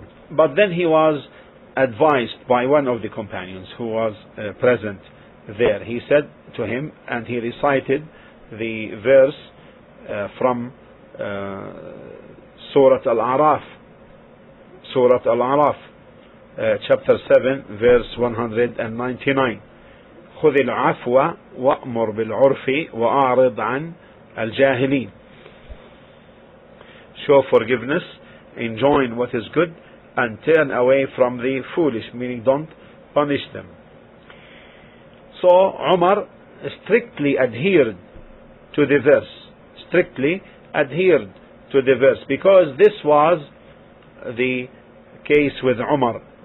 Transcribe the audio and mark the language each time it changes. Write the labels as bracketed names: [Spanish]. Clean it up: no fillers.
[English] But then he was advised by one of the companions who was present there. He said to him, and he recited the verse from Surah Al-A'raf, chapter 7, verse 199. [Arabic] خذ العفو وأمر بالعرف وأعرض عن الجاهلين. [English] Show forgiveness, enjoin what is good, and turn away from the foolish, meaning don't punish them. So Umar strictly adhered to the verse, because this was the case with Umar.